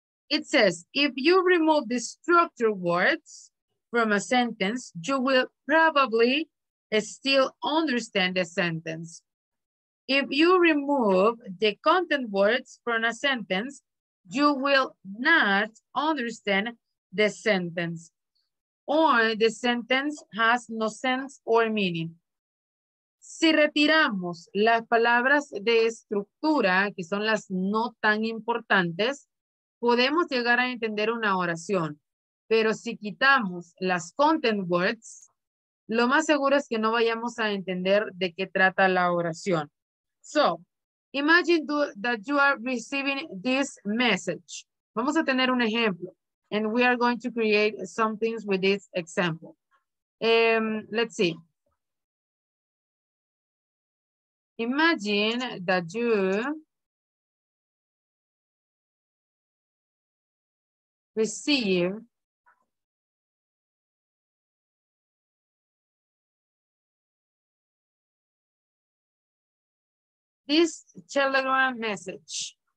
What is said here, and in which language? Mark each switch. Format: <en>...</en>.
<en>It says, if you remove the structure words from a sentence, you will probably still understand the sentence. If you remove the content words from a sentence, you will not understand the sentence, or the sentence has no sense or meaning.</en> <es>Si retiramos las palabras de estructura, que son las no tan importantes, podemos llegar a entender una oración. Pero si quitamos las content words, lo más seguro es que no vayamos a entender de qué trata la oración.</es> <en>So, imagine that you are receiving this message.</en> <es>Vamos a tener un ejemplo.</es> <en>And we are going to create some things with this example. Let's see. Imagine that you receive this Telegram message.</en>